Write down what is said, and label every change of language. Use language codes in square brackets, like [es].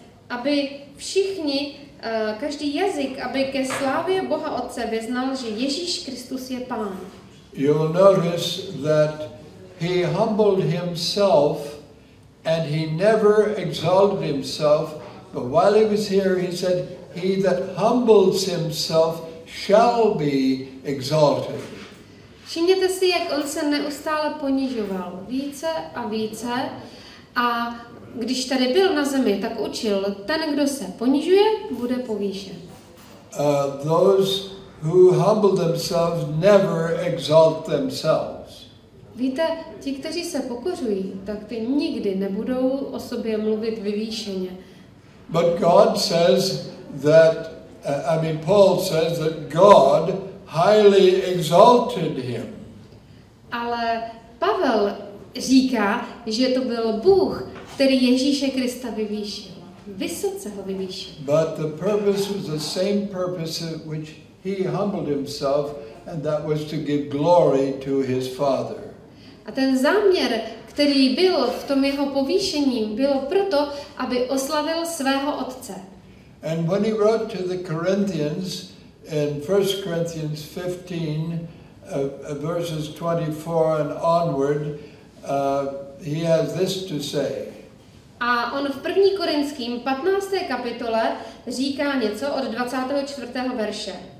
[cs] Aby všichni, každý jazyk, aby ke slávě Boha Otce vyznal, že Ježíš Kristus je Pán. [en] You'll notice that he humbled himself and he never exalted himself, but while he was here he said, he that humbles himself shall be exalted. [cs] Všimněte si, jak on se neustále ponižoval více a více a když tady byl na zemi, tak učil, ten, kdo se ponižuje, bude povýšen. [en] Those who humble themselves never exalt themselves. [cs] Víte, ti, kteří se pokořují, tak ty nikdy nebudou o sobě mluvit vyvýšeně. [en] But God says that, Paul says that God highly exalted him. [cs] Ale Pavel říká, že to byl Bůh, který Ježíše Krista vyvýšil. Vysoce ho vyvýšil. [en] But the purpose was the same purpose which he humbled himself, and that was to give glory to his Father. [cs] A ten záměr, který byl v tom jeho povýšení, bylo proto, aby oslavil svého Otce. [en] And when he wrote to the Corinthians, in 1 Corinthians 15, verses 24 and onward, he has this to say. [cs] A on v 1. Korinským 15. kapitole říká něco od 24. verše.